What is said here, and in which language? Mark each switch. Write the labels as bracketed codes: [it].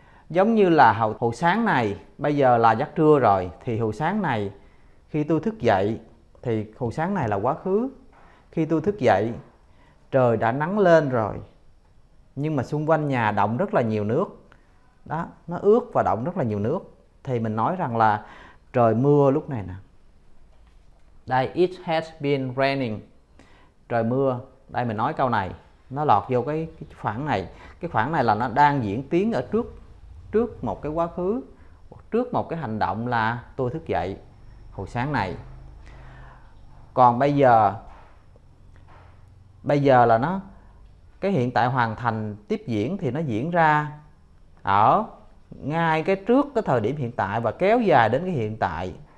[vi] Giống như là hồi sáng này, bây giờ là giấc trưa rồi, thì hồi sáng này khi tôi thức dậy thì hồi sáng này là quá khứ. Khi tôi thức dậy trời đã nắng lên rồi, nhưng mà xung quanh nhà đọng rất là nhiều nước đó, nó ướt và đọng rất là nhiều nước, thì mình nói rằng là trời mưa lúc này nè. [en] Đây, it has been raining, [vi] trời mưa. Đây mình nói câu này, nó lọt vô cái khoảng này là nó đang diễn tiến ở trước trước một cái quá khứ, trước một cái hành động là tôi thức dậy hồi sáng này. Còn bây giờ là nó cái hiện tại hoàn thành tiếp diễn thì nó diễn ra ở ngay cái trước cái thời điểm hiện tại và kéo dài đến cái hiện tại.